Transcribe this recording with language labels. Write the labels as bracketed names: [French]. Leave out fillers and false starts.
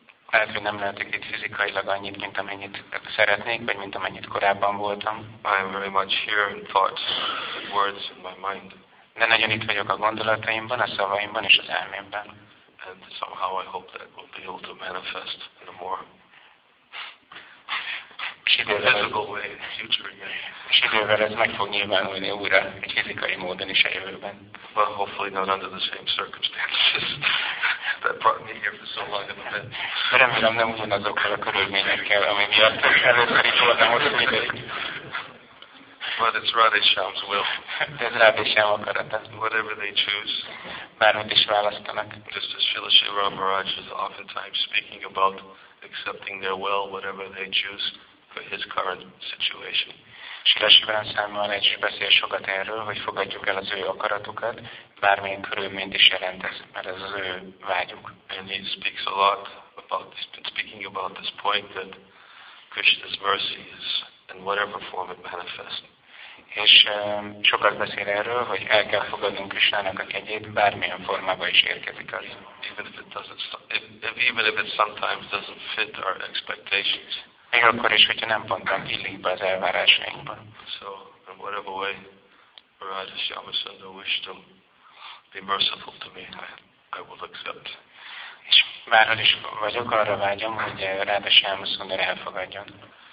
[Hungarian] lehet, hogy nem lehetek itt fizikailag annyit, mint amennyit szeretnék, vagy mint amennyit korábban voltam. [English] I am very much here in thoughts, in words, in my mind. [Hungarian] De nagyon itt vagyok a gondolataimban, a szavaimban és az elmémben. [English] And somehow I hope that will be able to manifest in a more visible way in the future again. [Hungarian] És idővel ez meg fog nyilvánulni újra, egy fizikai módon is a jövőben. [English] Well, hopefully not under the same circumstances. That brought me here for so long in the bed. [Hungarian] Remélem, nem ugyanazokkal a körülményekkel, ami miatt először itt voltam ott mindig. [English] But it's Radhesham's will. [Hungarian] Ez Radhesham akarata. [English] Whatever they choose. [Hungarian] Bármit is választanak. [English] Just as Srila Shri Ramaraj is oftentimes speaking about accepting their will, whatever they choose, for his current situation. [Hungarian] Srila Shri Ramaraj is beszél sokat erről, hogy fogadjuk el az ő akaratukat, bármilyen körülményt is jelentesz, mert ez az ő vágyuk. [English] And he speaks a lot about, he's been speaking about this point that Krishna's mercy is in whatever form it manifests. [Hungarian] És sokat beszél erről, hogy el kell fogadnunk Krishnának a kegyét, bármilyen formában is érkezik az. [English] Even if it sometimes doesn't fit our expectations. [Hungarian] Még akkor is, hogyha nem pont illik be az elvárásainkban. [English] So, in whatever way, Radha Shyamasundar wished him be merciful to me, I will accept. [Hungarian] És bárhol is vagyok, arra vágyom, hogy Radha Shyamasundar elfogadjon.